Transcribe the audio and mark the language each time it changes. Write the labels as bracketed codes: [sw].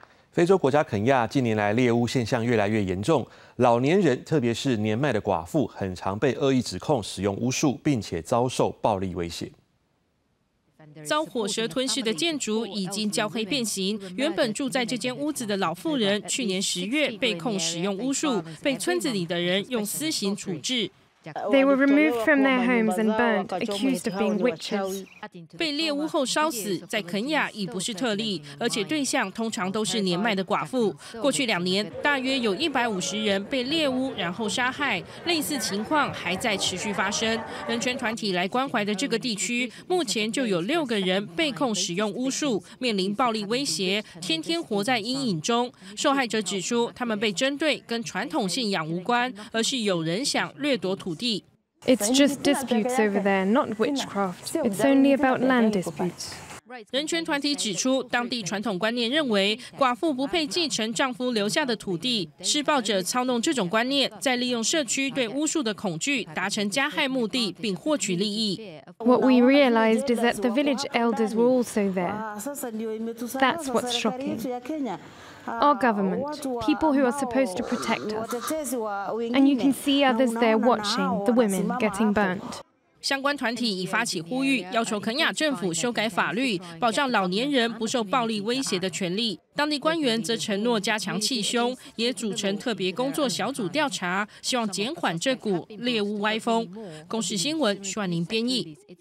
[zh] 非洲国家肯亚近年来猎巫现象越来越严重，老年人特别是年迈的寡妇很常被恶意指控使用巫术，并且遭受暴力威胁。遭火蛇吞噬的建筑已经焦黑变形，原本住在这间屋子的老妇人去年10月被控使用巫术，被村子里的人用私刑处置。 [en] They were removed from their homes and burnt, accused of being witches. [zh] 被猎巫后烧死，在肯亚已不是特例，而且对象通常都是年迈的寡妇。过去2年，大约有150人被猎巫然后杀害，类似情况还在持续发生。人权团体来关怀的这个地区，目前就有6个人被控使用巫术，面临暴力威胁，天天活在阴影中。受害者指出，他们被针对跟传统信仰无关，而是有人想掠夺土。 [en] It's just disputes over there, not witchcraft. It's only about land disputes. [zh] 人权团体指出，当地传统观念认为寡妇不配继承丈夫留下的土地，施暴者操弄这种观念，再利用社区对巫术的恐惧达成加害目的并获取利益。 [en] What we realized is that the village elders were also there. That's what's shocking. Our government, people who are supposed to protect us, and you can see others there watching the women getting burnt. [zh] 相关团体已发起呼吁，要求肯亚政府修改法律，保障老年人不受暴力威胁的权利。当地官员则承诺加强气胸，也组成特别工作小组调查，希望减缓这股猎巫歪风。公视新闻徐婉玲编译。